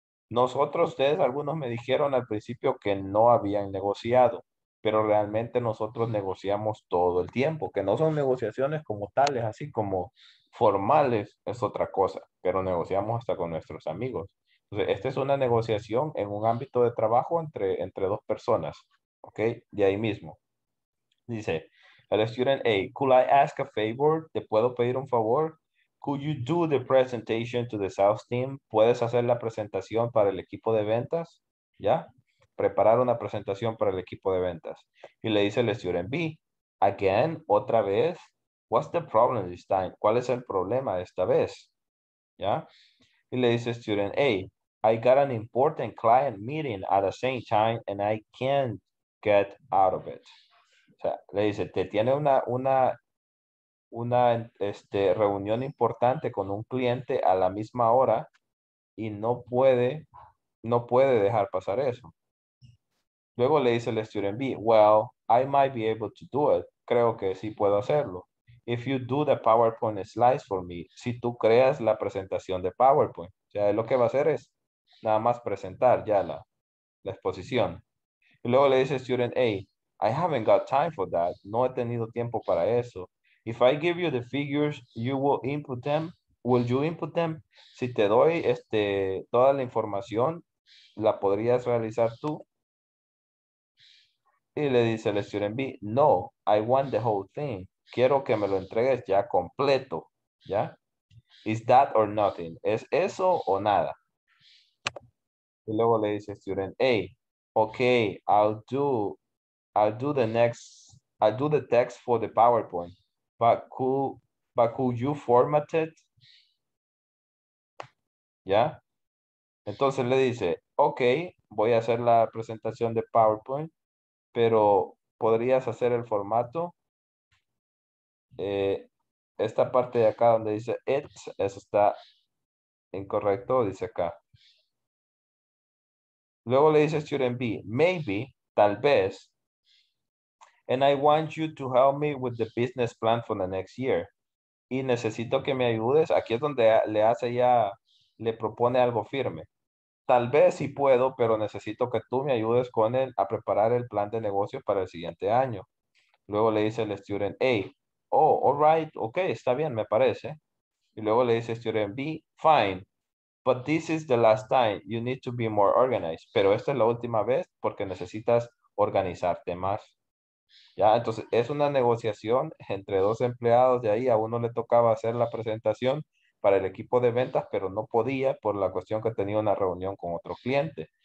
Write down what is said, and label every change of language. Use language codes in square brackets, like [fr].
[es] Ustedes, algunos me dijeron al principio que no habían negociado, pero realmente nosotros negociamos todo el tiempo, que no son negociaciones como tales, así como formales, es otra cosa, pero negociamos hasta con nuestros amigos. Entonces, esta es una negociación en un ámbito de trabajo entre dos personas, ¿ok? De ahí mismo. Dice, el [en] student A, could I ask a favor? [es] ¿Te puedo pedir un favor? [en] Could you do the presentation to the sales team? [es] ¿Puedes hacer la presentación para el equipo de ventas? ¿Ya? Preparar una presentación para el equipo de ventas. Y le dice el [en] student B, again, [es] otra vez, [en] what's the problem this time? [es] ¿Cuál es el problema esta vez? ¿Ya? Y le dice [en] student A, I got an important client meeting at the same time and I can't get out of it. [es] O sea, le dice, te tiene una reunión importante con un cliente a la misma hora y no puede dejar pasar eso. Luego le dice el [en] student B, well, I might be able to do it. [es] Creo que sí puedo hacerlo. [en] If you do the PowerPoint slides for me, [es] si tú creas la presentación de PowerPoint. O sea, lo que va a hacer es nada más presentar ya la exposición. Y luego le dice student A, [en] I haven't got time for that. [es] No he tenido tiempo para eso. [en] If I give you the figures, you will input them. Will you input them? [es] Si te doy toda la información, ¿la podrías realizar tú? Y le dice el [en] student B, no, I want the whole thing. [es] Quiero que me lo entregues ya completo. ¿Ya? [en] Is that or nothing? [es] ¿Es eso o nada? Y luego le dice el [en] student A, okay, I'll do the text for the PowerPoint, but could you format it? [es] ¿Ya? Entonces le dice, ok, voy a hacer la presentación de PowerPoint, pero ¿podrías hacer el formato? Esta parte de acá donde dice it, eso está incorrecto, dice acá. Luego le dice [en] student B, maybe, [es] tal vez, [en] and I want you to help me with the business plan for the next year. [es] Y necesito que me ayudes. Aquí es donde le propone algo firme. Tal vez sí puedo, pero necesito que tú me ayudes con él a preparar el plan de negocio para el siguiente año. Luego le dice el student A, [en] oh, all right, okay, [es] está bien, me parece. Y luego le dice el [en] student B, fine, but this is the last time. You need to be more organized. [es] Pero esta es la última vez porque necesitas organizarte más. Ya, entonces es una negociación entre dos empleados. De ahí a uno le tocaba hacer la presentación para el equipo de ventas, pero no podía por la cuestión que tenía una reunión con otro cliente.